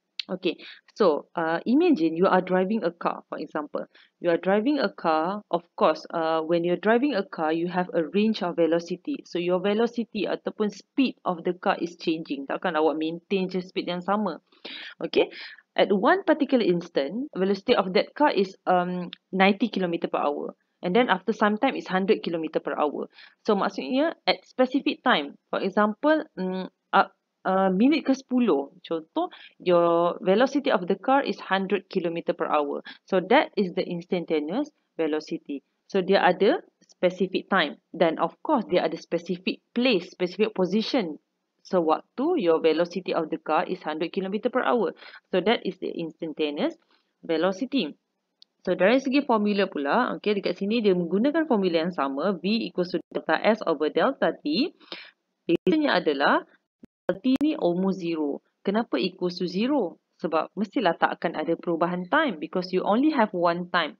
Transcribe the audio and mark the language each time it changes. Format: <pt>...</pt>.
<en>Okay, so imagine you are driving a car, for example. You are driving a car, of course, when you're driving a car, you have a range of velocity. So, your velocity ataupun speed of the car is changing.</en> <ms>Takkan awak maintain je speed yang sama.</ms> <en>Okay. At one particular instant, velocity of that car is 90 km per hour. And then after some time, it's 100 km per hour. So, maksudnya at specific time, for example, minit ke 10, contoh, your velocity of the car is 100 km per hour. So, that is the instantaneous velocity. So, dia ada specific time. Then, of course, dia ada specific place, specific position. So, waktu your velocity of the car is 100 km per hour. So, that is the instantaneous velocity.</en> <ms>So, dari segi formula pula, okay, dekat sini dia menggunakan formula yang sama.</ms> <en>V equals to delta S over delta T. Biasanya adalah delta T ni almost zero. kenapa equals to 0? Sebab mestilah tak akan ada perubahan time because you only have one time.</en>